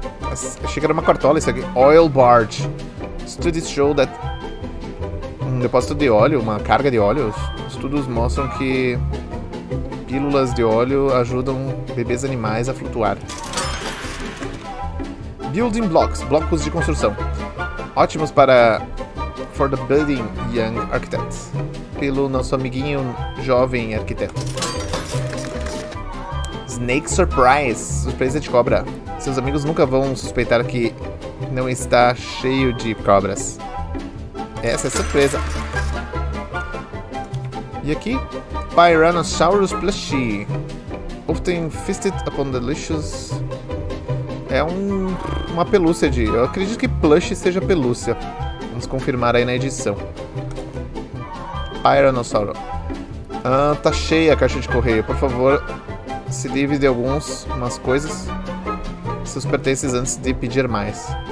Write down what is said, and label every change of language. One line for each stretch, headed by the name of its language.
Portuguese: Achei que era uma cartola isso aqui.
English: Oil barge. Studies show that...
Portuguese: um depósito de óleo, uma carga de óleo. Estudos mostram que... pílulas de óleo ajudam bebês animais a flutuar.
English: Building blocks,
Portuguese: blocos de construção. Ótimos para
English: for the Budding Young Architect.
Portuguese: Pelo nosso amiguinho jovem arquiteto. Snake Surprise. Surpresa de cobra. Seus amigos nunca vão suspeitar que não está cheio de cobras. Essa é a surpresa. E aqui? Pyranosaurus plushie.
English: Often feasted upon delicious.
Portuguese: É uma pelúcia de... Eu acredito que plush seja pelúcia. Vamos confirmar aí na edição. Pyranosaurus. Ah, tá cheia a caixa de correio. Por favor, se livre de algumas coisas. Seus pertences antes de pedir mais.